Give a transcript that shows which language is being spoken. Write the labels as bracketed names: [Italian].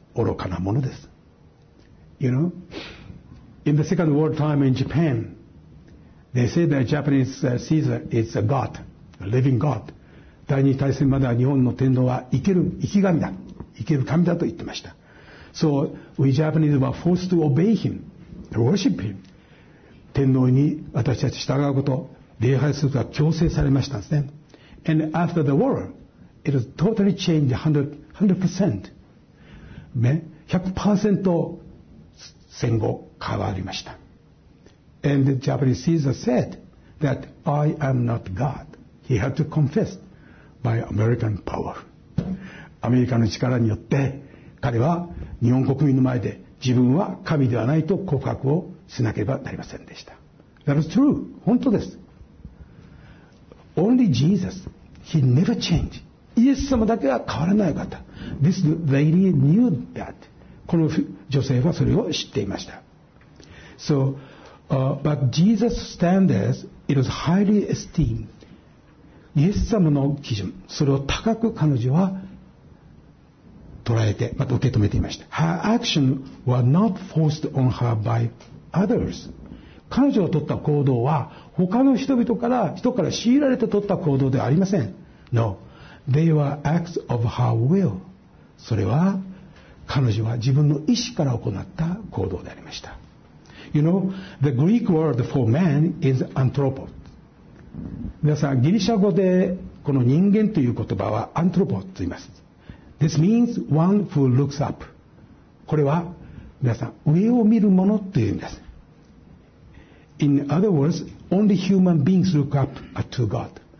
[Japanese] 愚かなものです。 [English] You know, in the Second World War in Japan, they say that Japanese Caesar is a god, a living god. [Japanese] 第二次大戦までは日本の天皇は生ける生き神だ、生ける神だと言ってました。 [English] So we Japanese were forced to obey him, worship him. [Japanese] 天皇に私たち従うこと、礼拝することが強制されましたんですね。 [English] And after the war, it was totally changed 100%. [Japanese] 100% 戦後変わりました。 [English] And the Japanese Caesar said that I am not God. He had to confess. By American power. [Japanese] アメリカの力によって彼は日本国民の前で自分は神ではないと告白をしなければなりませんでした。 [English] That is true. [Japanese] 本当です。 [English] Only Jesus. He never changed. [Japanese] イエス様だけは変わらない方。 [English] This lady knew that. [Japanese] この女性はそれを知っていました。 [English] So, but Jesus' standards, it was highly esteemed. [Japanese] イエス様の基準、それを高く彼女は捉えて、また受け止めていました。 [English] Her action was not forced on her by others. [Japanese] 彼女が取った行動は、他の人から強いられて取った行動ではありません。 [English] No. They were acts of her will. [Japanese] それは、彼女は自分の意思から行った行動でありました。 [English] You know, the Greek word for man is anthropos. [Japanese] 皆さん、ギリシャ語でこの人間という言葉はアントロポと言います。 [English] This means one who looks up. [Japanese] これは皆さん上を見るものというんです。 [English] In other words, only human beings look up to God.